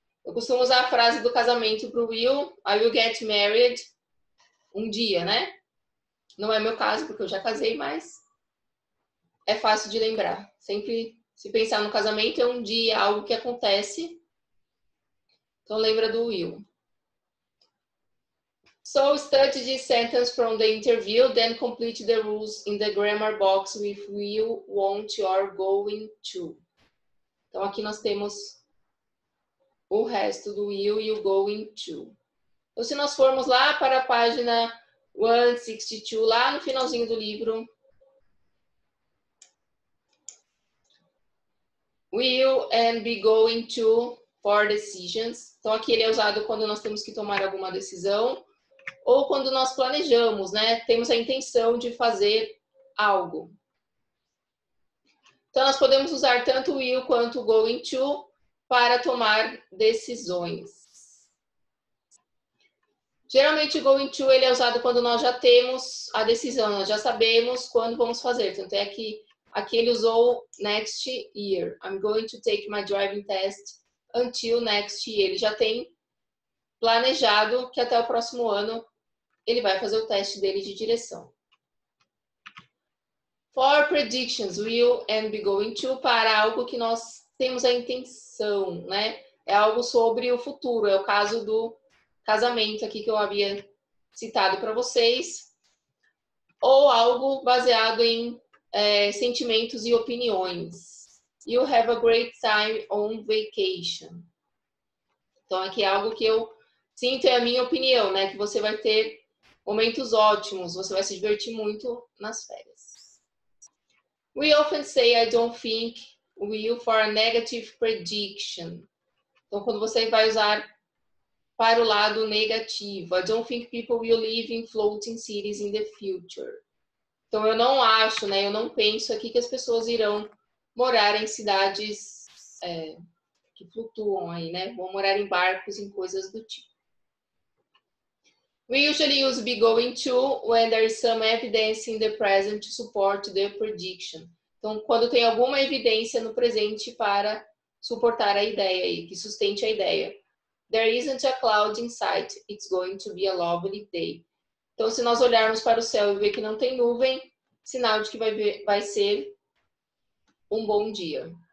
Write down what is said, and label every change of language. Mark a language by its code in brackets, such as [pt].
[pt] Eu costumo usar a frase do casamento para o will, [en] I will get married [pt] um dia, né? Não é meu caso, porque eu já casei, mas é fácil de lembrar, sempre... Se pensar no casamento, é um dia, algo que acontece. Então, lembra do will. [en] So, study this sentence from the interview, then complete the rules in the grammar box with will, won't, or going to. [pt] Então, aqui nós temos o resto do will e o going to. Então, se nós formos lá para a página 162, lá no finalzinho do livro... [en] Will and be going to for decisions. [pt] Então, aqui ele é usado quando nós temos que tomar alguma decisão ou quando nós planejamos, né? Temos a intenção de fazer algo. Então, nós podemos usar tanto will quanto going to para tomar decisões. Geralmente, going to ele é usado quando nós já temos a decisão, nós já sabemos quando vamos fazer. Tanto é que aqui ele usou next year. [en] I'm going to take my driving test until next year. [pt] Ele já tem planejado que até o próximo ano ele vai fazer o teste dele de direção. [en] For predictions, will and be going to, [pt] para algo que nós temos a intenção, né? É algo sobre o futuro. É o caso do casamento aqui que eu havia citado para vocês. Ou algo baseado em sentimentos e opiniões. [en] You have a great time on vacation. [pt] Então, aqui é algo que eu sinto, é a minha opinião, né? Que você vai ter momentos ótimos, você vai se divertir muito nas férias. [en] We often say I don't think will for a negative prediction. [pt] Então, quando você vai usar para o lado negativo. [en] I don't think people will live in floating cities in the future. [pt] Então, eu não acho, né? Eu não penso aqui que as pessoas irão morar em cidades que flutuam aí, né? Vão morar em barcos, em coisas do tipo. [en] We usually use be going to when there is some evidence in the present to support the prediction. [pt] Então, quando tem alguma evidência no presente para suportar a ideia aí, que sustente a ideia. [en] There isn't a cloud in sight. It's going to be a lovely day. [pt] Então, se nós olharmos para o céu e ver que não tem nuvem, sinal de que vai ser um bom dia.